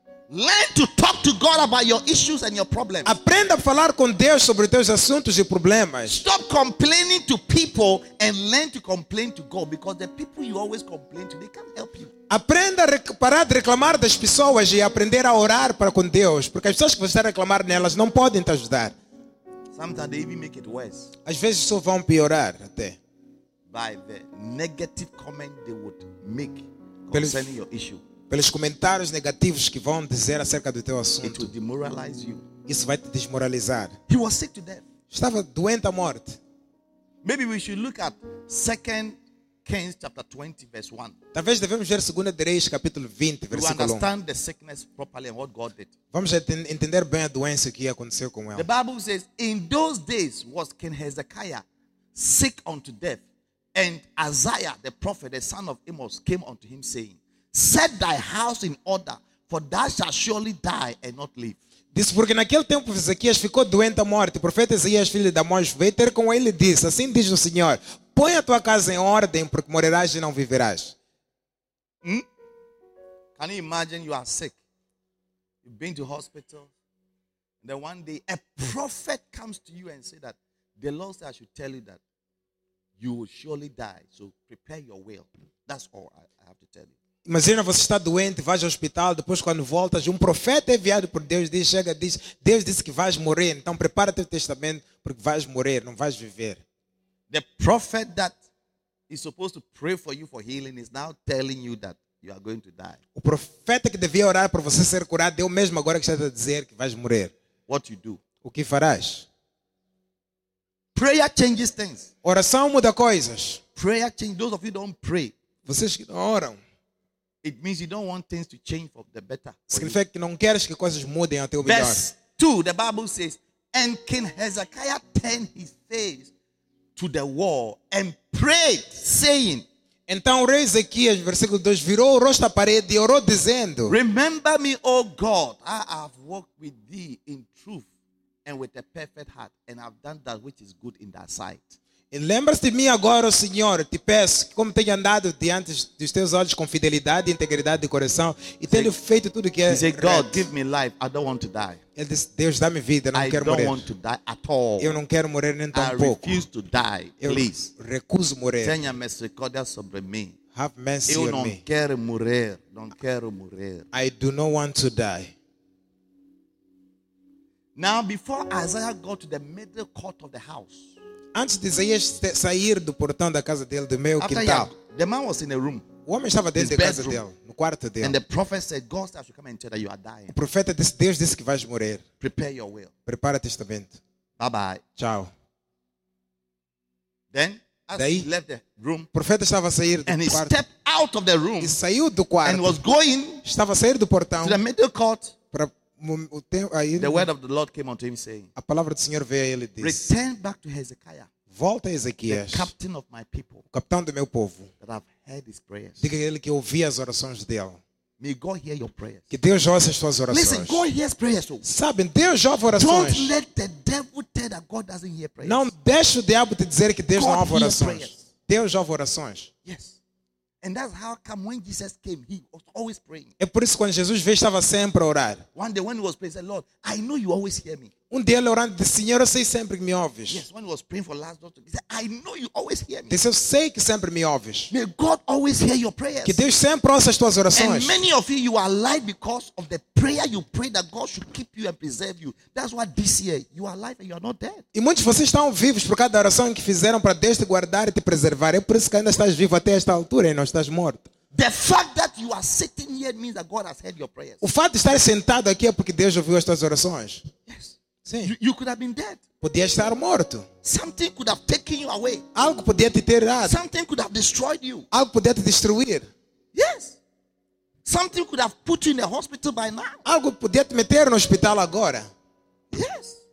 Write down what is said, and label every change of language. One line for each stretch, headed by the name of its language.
English: Learn to talk to God about your issues and your problems.
Portuguese: Aprenda a falar com Deus sobre teus assuntos e problemas.
English: Stop complaining to people and learn to complain to God, because the people you always complain to, they can't help you.
Portuguese: Aprenda a parar de reclamar das pessoas e aprender a orar para com Deus, porque as pessoas que você está a reclamar nelas não podem te ajudar.
English: Sometimes they even make it worse.
Portuguese: Às vezes só vão piorar até.
English: By the negative comment they would make concerning your issue.
Portuguese: Pelos comentários negativos que vão dizer acerca do teu assunto.
English: It will demoralize you.
Portuguese: Isso vai te desmoralizar.
English: He was sick to death.
Portuguese: Estava doente à morte.
English: Maybe we should look at 2 Kings chapter 20 verse 1.
Portuguese: Talvez devemos ver 2 Reis capítulo 20 versículo 1.
English: To understand the sickness properly and what God did.
Portuguese: Vamos entender bem a doença que aconteceu com ele.
English: The Bible says, in those days was King Hezekiah sick unto death. And Isaiah the prophet, the son of Amos, came unto him, saying, set thy house in order, for thou shalt surely die and not live.
Portuguese: Disse, porque naquele tempo Ezequias ficou doente à morte. O profeta Isaías, filho de Amós, veio ter com ele e disse, assim diz o Senhor, põe a tua casa em ordem, porque morrerás e não viverás.
English: Can you imagine you are sick? You've been to hospital. And then one day a prophet comes to you and says that the Lord says I should tell you that. You will surely die, so prepare your will. That's all I have to tell you.
Portuguese: Imagina você está doente, vai ao hospital, depois quando voltas, profeta enviado por Deus diz, chega, diz, Deus disse que vais morrer, então prepara teu testamento porque vais morrer, não vais viver.
English: The prophet that is supposed to pray for you for healing is now telling you that you are going to die.
Portuguese: O profeta que devia orar por você ser curado, é o mesmo agora que está a dizer que vais morrer.
English: What you do?
Portuguese: O que farás?
English: Prayer changes things.
Portuguese: Oração muda coisas.
English: Prayer changes. Those of you don't pray.
Portuguese: Vocês que não oram.
English: It means you don't want things to change for the better.
Portuguese: Significa que não queres que coisas mudem até o melhor.
English: Verse 2, the Bible says, and King Hezekiah turned his face to the wall and prayed, saying.
Portuguese: Então o rei Ezequias, versículo 2, virou o rosto à parede e orou dizendo.
English: Remember me, O God, I have walked with thee in truth and with a perfect heart, and I've done that which is good in thy sight.
Portuguese: E lembra-se de mim agora, Senhor, te peço, como tenho andado diante dos teus olhos com fidelidade e integridade de coração, e tenho feito tudo o que é reto.
English: He said, God, give me life, I don't want to die.
Portuguese: Ele disse, Deus, dá-me vida, não quero morrer.
English: I don't want to die at all.
Portuguese: Eu não quero morrer nem tão pouco.
English: I refuse to die, please.
Portuguese: Eu recuso morrer. Tenha misericórdia sobre mim.
English: Have mercy on
Portuguese: me. Eu não quero morrer, não quero morrer.
English: I do not want to die. Now, before Isaiah got to the middle court of the house,
Portuguese: antes de Isaías sair do portão da casa dele, do meio quintal,
English: the man was in the room,
Portuguese: o homem estava dentro da casa
English: room,
Portuguese: dele, no quarto dele.
English: And the prophet said, God said, I should come and tell that you are dying.
Portuguese: O profeta disse, Deus disse que vais morrer.
English: Prepare your will.
Portuguese: Prepara testamento.
English: Bye-bye.
Portuguese: Tchau.
English: Then, as
Portuguese: daí,
English: he left the room,
Portuguese: o profeta estava a sair do
English: and
Portuguese: quarto.
English: He stepped out of the room,
Portuguese: e saiu do quarto.
English: And was going,
Portuguese: estava a sair do portão.
English: To the middle court.
Portuguese: Para
English: the word of the Lord came unto him saying,
Portuguese: a palavra do Senhor veio a ele e disse,
English: return back to Hezekiah,
Portuguese: volta a Ezequias,
English: the captain of my people,
Portuguese: o capitão do meu povo,
English: that I've heard his prayers.
Portuguese: Diga a ele que ouvi as orações dele.
English: May God hear your prayers.
Portuguese: Que Deus ouça as suas orações.
English: Listen, God hears prayers. So.
Portuguese: Sabem, Deus ouve orações.
English: Don't let the devil tell that God doesn't hear prayers.
Portuguese: Não deixe o diabo te dizer que Deus
English: God
Portuguese: não ouve orações.
English: Prayers.
Portuguese: Deus ouve orações.
English: Yes. And that's how come when Jesus came, he was always praying.
Portuguese: É por isso quando Jesus veio, estava sempre a orar.
English: One day when he was praying, he said, Lord, I know you always hear me.
Portuguese: Um dia ele orando, disse, Senhor, eu sei sempre que me ouves.
English: Yes, when he was praying for Lazarus, he said, I know you always hear me.
Portuguese: Disse, eu sei que sempre me ouves.
English: May God always hear your prayers.
Portuguese: Que Deus sempre ouça as tuas orações.
English: And many of you are alive because of the prayer you pray that God should keep you and preserve you. That's why this year you are alive and you are not dead.
Portuguese: E muitos de vocês estão vivos por causa da oração que fizeram para Deus te guardar e te preservar. É por isso que ainda estás vivo até esta altura e não estás morto.
English: The fact that you are sitting here means that God has heard your prayers.
Portuguese: O fato de estar sentado aqui é porque Deus ouviu as tuas orações.
English: Yes.
Portuguese: Sim.
English: You could have been dead.
Portuguese: Podia estar morto.
English: Something could have taken you away.
Portuguese: Algo podia te ter dado.
English: Something could have destroyed you.
Portuguese: Algo podia te destruir.
English: Yes. Something could have put you in a hospital by now.
Portuguese: Algo podia te meter no hospital agora.
English: Yes.